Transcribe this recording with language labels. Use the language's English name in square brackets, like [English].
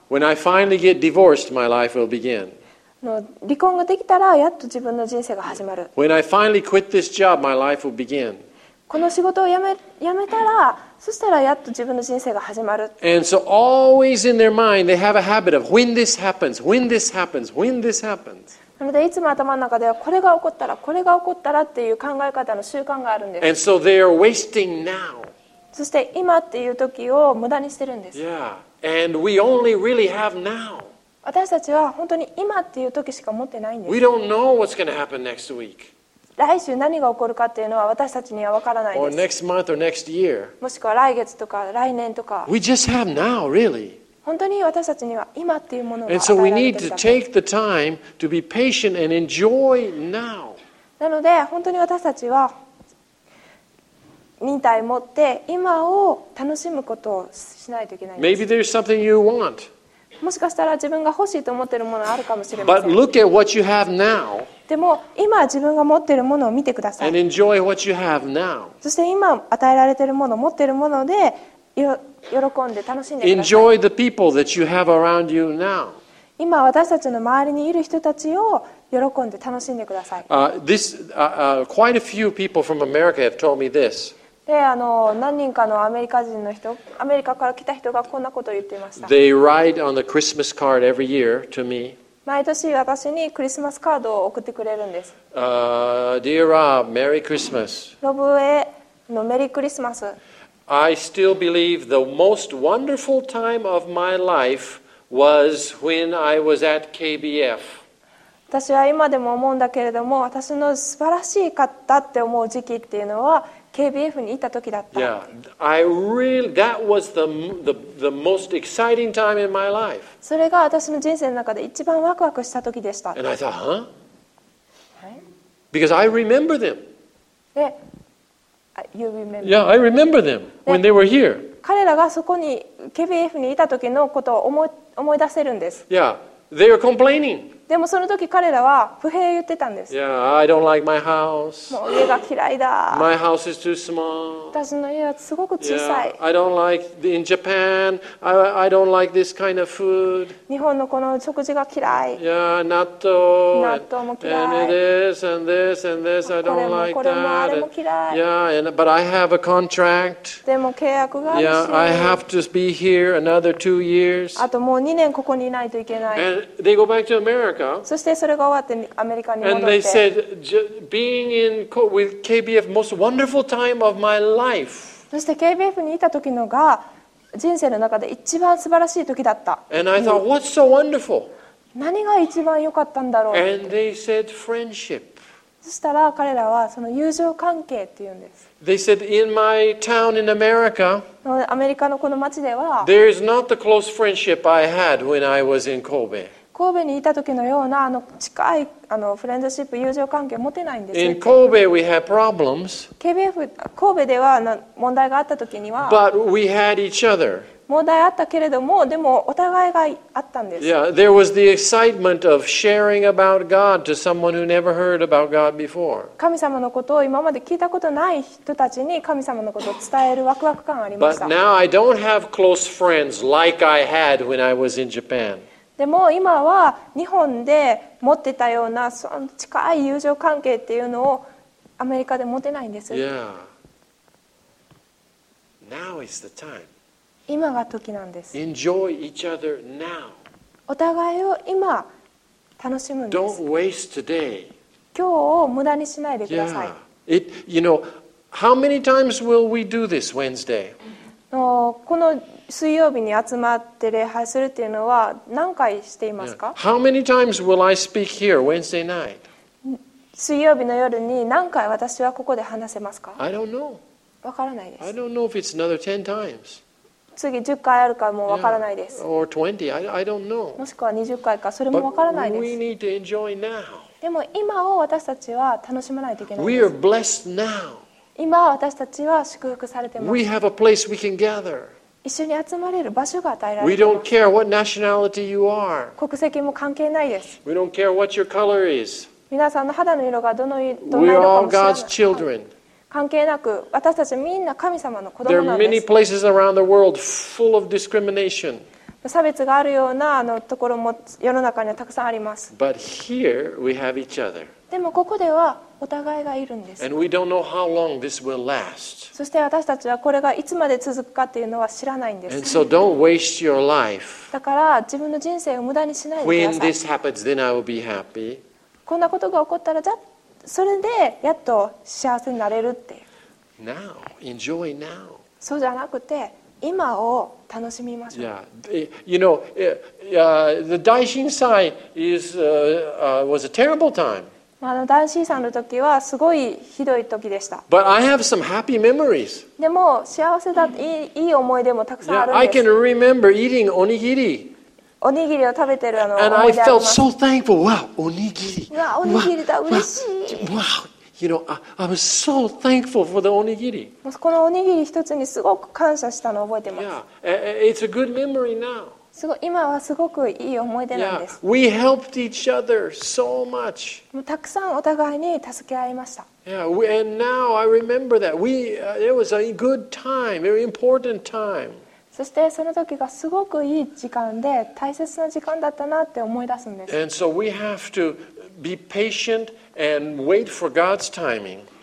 [English] When I finally get divorced, my life will begin. [Japanese] 離婚ができたらやっと自分の人生が始まる。 [English] When I finally quit this job, my life will begin. [Japanese] この仕事を辞めたら、そしたらやっと自分の人生が始まる。 [English] And so always in their mind, they have a habit of when this happens, when this happens, when this happens. [Japanese] なのでいつも頭の中ではこれが起こったら、これが起こったらっていう考え方の習慣があるんです。 [English] And so they are wasting now. [Japanese] そして今っていう時を無駄にしてるんです。 [English] Yeah, and we only really have now. [Japanese] 私たちは本当に今っていう時しか持ってないんです。 [English] We don't know what's going to happen next week. [Japanese] 来週何が起こるかっていうのは私たちには分からないです。 [English] Or next month or next year. [Japanese] もしくは来月とか来年とか。 [English] We just have now, really. [Japanese] 本当に私たちには今っていうものが与えられてる。 [English] And so we need to take the time to be patient and enjoy now. [Japanese] なので本当に私たちは忍耐を持って今を楽しむことをしないといけないです。 [English] Maybe there's something you want. [Japanese] もしかしたら自分が欲しいと思っているものがあるかもしれません。 [English] But look at what you have now. [Japanese] でも今自分が持っているものを見てください。 [English] And enjoy what you have now. [Japanese] そして今与えられているもの、持っているもので喜んで楽しんでください。 [English] Enjoy the people that you have around you now. [Japanese] 今私たちの周りにいる人たちを喜んで楽しんでください。 [English] Quite a few people from America have told me this. [Japanese] で、何人かのアメリカ人の人、アメリカから来た人がこんなことを言っていました。 [English] They write on the Christmas card every year to me. [Japanese] 毎年私にクリスマスカードを送ってくれるんです。 [English] Dear Rob, Merry Christmas. [Japanese] ロブへのメリークリスマス。 [English] I still believe the most wonderful time of my life was when I was at KBF. [Japanese] 私は今でも思うんだけれども、私の素晴らしかったって思う時期っていうのは KBF に行った時だった。 [English] Yeah, I really, that was the most exciting time in my life. [Japanese] それが私の人生の中で一番ワクワクした時でした。 [English] And I thought, huh? Because I remember them. You remember? Yeah, I remember them when they were here. [Japanese] 彼らがそこに KBF にいた時のことを思い出せるんです。 [English] Yeah, they were complaining. [Japanese] でもその時彼らは不平を言ってたんです。 [English] Yeah, I don't like my house. [Japanese] もう家が嫌いだ。 [English] My house is too small. [Japanese] 私の家はすごく小さい。 [English] Yeah, I don't like in Japan. I don't like this kind of food. [Japanese] 日本のこの食事が嫌い。 [English] Yeah, natto. [Japanese] Natto も嫌い。 [English] And this and this and this. I don't like that. [Japanese] これもあれも嫌い。 [English] Yeah, but I have a contract. [Japanese] でも契約があるし。 [English] Yeah, I have to be here another 2 years. [Japanese] あともう2年ここにいないといけない。 [English] And they go back to America. [Japanese] そしてそれが終わってアメリカに戻って。 [English] And they said, being in with KBF, most wonderful time of my life. [Japanese] そして KBF にいた時のが人生の中で一番素晴らしい時だった。 [English] And I thought, what's so wonderful? [Japanese] 何が一番良かったんだろう。 [English] And they said, friendship. [Japanese] そしたら彼らはその友情関係っていうんです。 [English] They said, in my town in America, [Japanese] アメリカのこの町では、 [English] there is not the close friendship I had when I was in Kobe. [Japanese] 神戸にいた時のようなあの近いあのフレンドシップ友情関係持てないんです。 [English] In Kobe we had problems. [Japanese] KBF 神戸では問題があった時には、 [English] But we had each other. [Japanese] 問題あったけれどもでもお互いがあったんです。 [English] Yeah, there was the excitement of sharing about God to someone who never heard about God before. [Japanese] 神様のことを今まで聞いたことない人たちに神様のことを伝えるワクワク感ありました。 [English] But now I don't have close friends like I had when I was in Japan. [Japanese] でも今は日本で持ってたようなその近い友情関係っていうのをアメリカで持てないんです。 [English] Yeah. Now is the time. [Japanese] 今が時なんです。 [English] Enjoy each other now. [Japanese] お互いを今楽しむんです。 [English] Don't waste today. [Japanese] 今日を無駄にしないでください。 [English] Yeah. It, you know, how many times will we do this Wednesday? [Japanese] この水曜日に集まって礼拝するっていうのは何回していますか？ [English] How many times will I speak here Wednesday night? [Japanese] 水曜日の夜に何回私はここで話せますか？ [English] I don't know. [Japanese] わからないです。 [English] I don't know if it's another 10 times. [Japanese] 次10回あるかもわからないです。 [English] Yeah, or 20, I don't know. [Japanese] もしくは20回か、それもわからないです。 [English] But we need to enjoy now. [Japanese] でも今を私たちは楽しまないといけないです。 [English] We are blessed now. [Japanese] 今私たちは祝福されています。 [English] We have a place we can gather. [Japanese] 一緒に集まれる場所が与えられています。 [English] We don't care what nationality you are. [Japanese] 国籍も関係ないです。 [English] We don't care what your color is. [Japanese] 皆さんの肌の色がどの色かも知らない。 [English] We are all God's children. [Japanese] 関係なく私たちみんな神様の子供なんです。 [English] There are many places around the world full of discrimination. [Japanese] 差別があるようなあのところも世の中にはたくさんあります。 [English] But here we have each other. [Japanese] でもここではお互いがいるんです。 [English] And we don't know how long this will last. [Japanese] そして私たちはこれがいつまで続くかっていうのは知らないんです。 [English] And so don't waste your life. [Japanese] だから自分の人生を無駄にしないでください。 [English] When this happens, then I will be happy. [Japanese] こんなことが起こったらじゃっそれでやっと幸せになれるっていう。 [English] Now, enjoy now. [Japanese] そうじゃなくて今を楽しみましょう。 [English] Yeah, you know, the Daishin Sai is was a terrible time. [Japanese] あの大震災の時はすごいひどい時でした。 [English] But I have some happy memories. [Japanese] でも幸せだって いい思い出もたくさんあるんです。 [English] Yeah, I can remember eating onigiri. [Japanese] おにぎりを食べてるあの [English] And I felt so thankful. Wow, おにぎり。 [Japanese] わおにぎりだ嬉しい。 [English] Wow, you know, I was so thankful for the おにぎり。 [Japanese] このおにぎり一つにすごく感謝したのを覚えてます。 [English] Yeah, it's a good memory now. [Japanese] すごい今はすごくいい思い出なんです。 [English] Yeah, we helped each other so much. [Japanese] たくさんお互いに助け合いました。 [English] Yeah, and now I remember that it was a good time, very important time. [Japanese] そしてその時がすごくいい時間で大切な時間だったなって思い出すんです。 [English] And so we have to be patient and wait for God's timing.